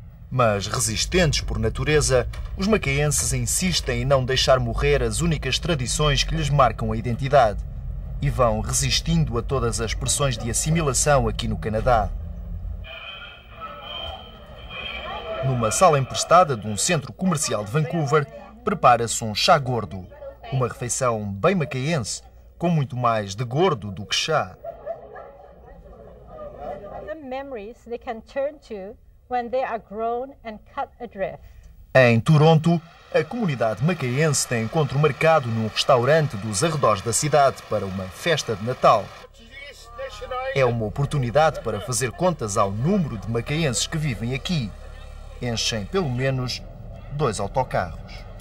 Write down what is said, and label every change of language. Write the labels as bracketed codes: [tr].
[pt] Mas resistentes por natureza, os macaenses insistem em não deixar morrer as únicas tradições que lhes marcam a identidade e vão resistindo a todas as pressões de assimilação aqui no Canadá. Numa sala emprestada de um centro comercial de Vancouver, prepara-se um chá gordo. Uma refeição bem macaense, com muito mais de gordo do que chá. [en] The memories they can turn to when they are grown and cut adrift. [pt] Em Toronto, a comunidade macaense tem encontro marcado num restaurante dos arredores da cidade para uma festa de Natal. É uma oportunidade para fazer contas ao número de macaenses que vivem aqui. Enchem pelo menos 2 autocarros.